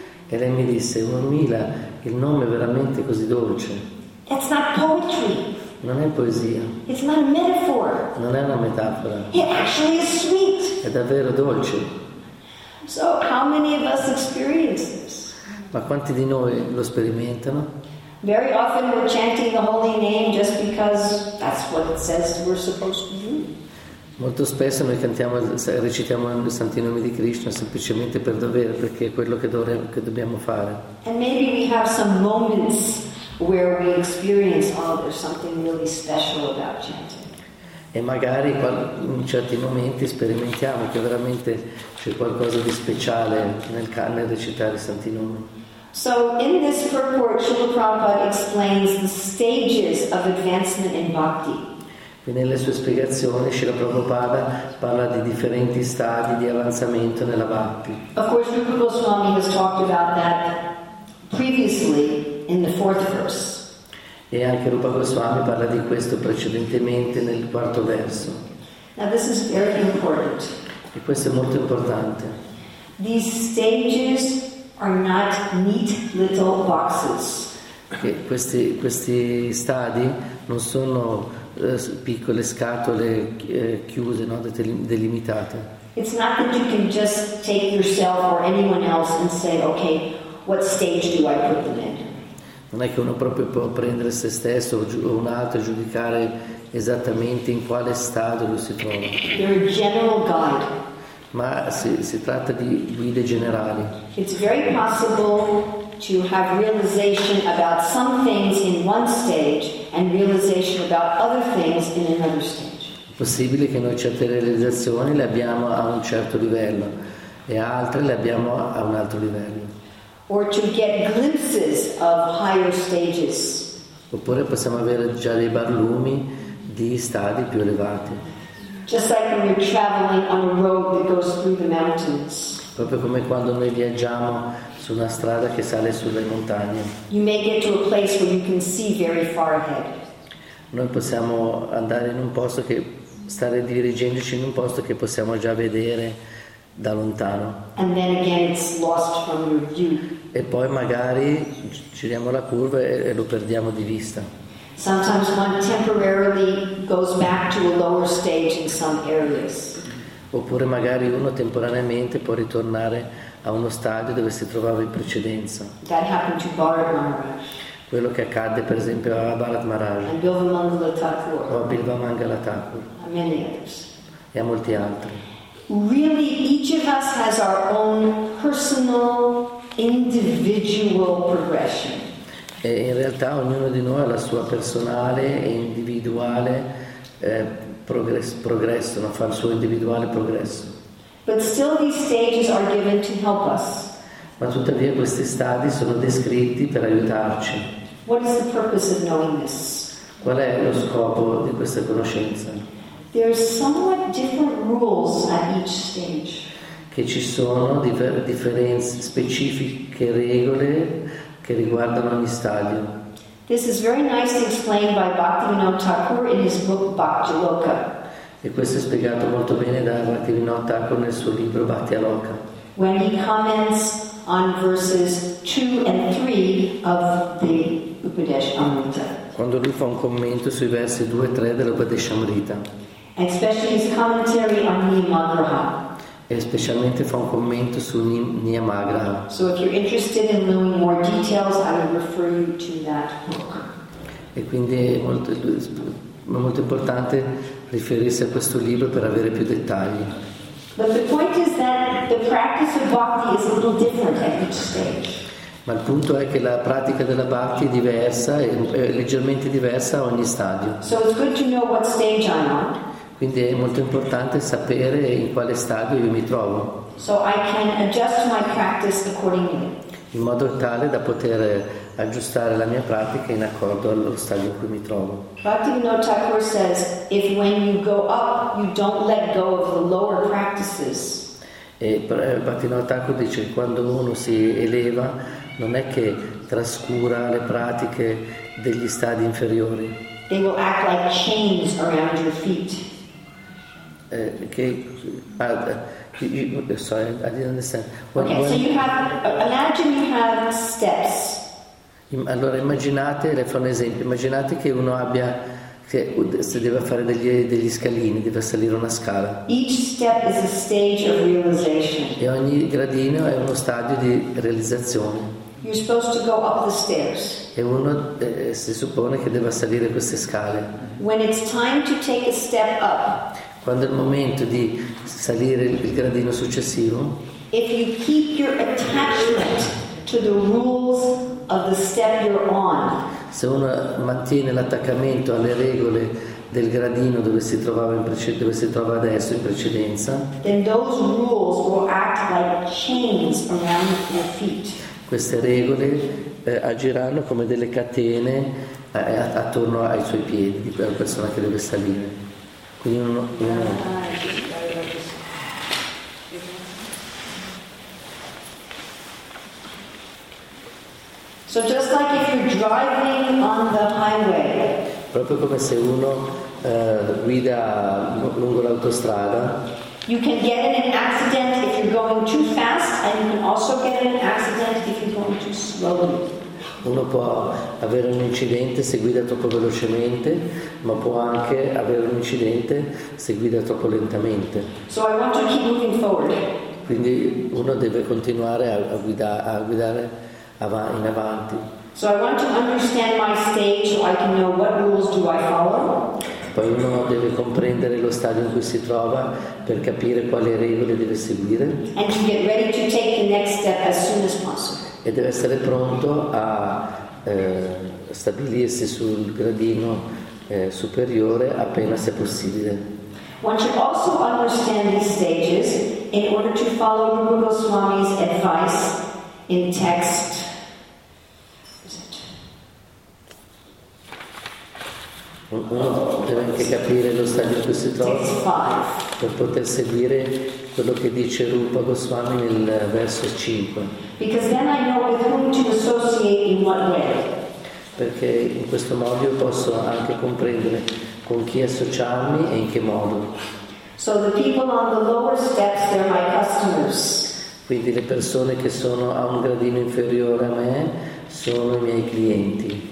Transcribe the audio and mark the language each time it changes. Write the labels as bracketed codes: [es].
[it] E lei mi disse, "Urmila, il nome è veramente così dolce." [en] It's not poetry. [it] Non è poesia. [en] It's not a metaphor. [it] Non è una metafora. [en] It actually is sweet. [it] È davvero dolce. [en] So how many of us experience this? [it] Ma quanti di noi lo sperimentano? [en] Very often we're chanting the holy name just because that's what it says we're supposed to do. [it] Molto spesso noi cantiamo, recitiamo i santi nomi di Krishna semplicemente per dovere, perché è quello che dobbiamo fare. [en] And maybe we have some moments where we experience, oh, there's something really special about chanting. [it] E magari in certi momenti sperimentiamo che veramente c'è qualcosa di speciale nel recitare i santi nomi. [en] So in this purport, Srila Prabhupada explains the stages of advancement in bhakti. [it] Quindi nelle sue spiegazioni, Srila Prabhupada parla di differenti stadi di avanzamento nella bhakti. [en] Of course, Rupa Goswami has talked about that previously in the fourth verse. [it] E anche Rupa Goswami parla di questo precedentemente nel quarto verso. [en] Now this is very important. [it] E questo è molto importante. [en] These stages are not neat little boxes. [it] che questi stadi non sono piccole scatole chiuse, no, delimitate. [en] It's not that you can just take yourself or anyone else and say, okay, what stage do I put them in? [it] Non è che uno proprio può prendere se stesso o un altro e giudicare esattamente in quale stato lui si trova. [en] They're a general guide. [it] Ma si tratta di guide generali. [en] It's very possible to have realization about some things in one stage and realization about other things in another stage. [it] Possibile che noi certe realizzazioni le abbiamo a un certo livello e altre le abbiamo a un altro livello. [en] Or to get glimpses of higher stages. [it] Oppure possiamo avere già dei barlumi di stadi più elevati. [en] Just like when you're traveling on a road that goes through the mountains. [it] Proprio come quando noi viaggiamo su una strada che sale sulle montagne. [en] You may get to a place where you can see very far ahead. [it] Noi possiamo andare in un posto che stare dirigendoci in un posto che possiamo già vedere da lontano. [en] And then again it's lost from your view. [it] E poi magari giriamo la curva e lo perdiamo di vista. [en] Sometimes one temporarily goes back to a lower stage in some areas. [it] Oppure magari uno temporaneamente può ritornare a uno stadio dove si trovava in precedenza. [en] That happened to Bharat Maharaj. [it] Quello che accadde per esempio a Bharat Maharaj o a Bilva Mangala Thakur e a molti altri. [en] Really, each of us has our own personal, individual progression. [it] E in realtà ognuno di noi ha la sua personale e individuale progresso, no? Fa il suo individuale progresso. [en] But still these stages are given to help us. [it] Ma tuttavia questi stadi sono descritti per aiutarci. [en] What is the purpose of knowing this? [it] Qual è lo scopo di questa conoscenza? [en] There are somewhat different rules at each stage. [it] Che ci sono differenze specifiche regole che riguardano ogni stadio. [en] This is very nicely explained by Bhaktivinoda Thakur in his book Bhakti Loka. [it] E questo è spiegato molto bene da Bhaktivinoda Thakur nel suo libro Bhakti Loka. [en] When he comments on verses 2 and 3 of the Upadeshamrita. [it] Quando lui fa un commento sui versi 2 e 3 dell'Upadeshamrita. [en] And especially his commentary on Niyamagraha. [it] E specialmente fa un commento su Niyamagraha. [en] So if you're interested in knowing more details, I would refer you to that book. [it] E quindi è molto importante riferirsi a questo libro per avere più dettagli. [en] But the point is that the practice of bhakti is a little different at each stage. [it] Ma il punto è che la pratica della bhakti è diversa, è leggermente diversa a ogni stadio. [en] So it's good to know what stage I'm on. [it] Quindi è molto importante sapere in quale stadio io mi trovo. [en] So I can adjust my practice accordingly. [it] In modo tale da poter aggiustare la mia pratica in accordo allo stadio in cui mi trovo. [en] Bhaktivinoda Thakur says, if when you go up, you don't let go of the lower practices. [it] E Bhaktivinoda Thakur dice, quando uno si eleva, non è che trascura le pratiche degli stadi inferiori. [en] They will act like chains around your feet. I didn't understand. So you have, imagine you have steps. [it] Allora immaginate, le fa un esempio, immaginate che uno abbia, che se deve fare degli scalini, deve salire una scala. [en] Each step is a stage of realization. [it] E ogni gradino è uno stadio di realizzazione. [en] You're supposed to go up the stairs. [it] E uno si suppone che deve salire queste scale. [en] When it's time to take a step up. [it] Quando è il momento di salire il gradino successivo. [en] If you keep your attachment to the rules of the step you're on. [it] Se uno mantiene l'attaccamento alle regole del gradino dove si trova adesso in precedenza. [en] Then those rules will act like chains around your feet. [it] Queste regole agiranno come delle catene attorno ai suoi piedi, di quella persona che deve salire. Quindi uno. [en] So just like if you're driving on the highway. [it] Proprio come se uno guida lungo l'autostrada. [en] You can get in an accident if you're going too fast, and you can also get in an accident if you're going too slowly. [it] Uno può avere un incidente se guida troppo velocemente, ma può anche avere un incidente se guida troppo lentamente. [en] So I want to keep moving forward. [it] Quindi uno deve continuare a guidare in avanti. [en] So I want to understand my stage so I can know what rules do I follow. [it] Poi uno deve comprendere lo stadio in cui si trova per capire quali regole deve seguire. [en] And to get ready to take the next step as soon as possible. [it] E deve essere pronto a stabilirsi sul gradino superiore appena sia possibile. [en] One should also understand these stages in order to follow Guru Goswami's advice in text. [it] Uno deve anche capire lo stadio in cui si trova per poter seguire quello che dice Rupa Goswami nel verso 5. [en] Because then I know with whom to associate in what way. [it] Perché in questo modo io posso anche comprendere con chi associarmi e in che modo. [en] So the people on the lower steps are my customers. [it] Quindi le persone che sono a un gradino inferiore a me sono i miei clienti.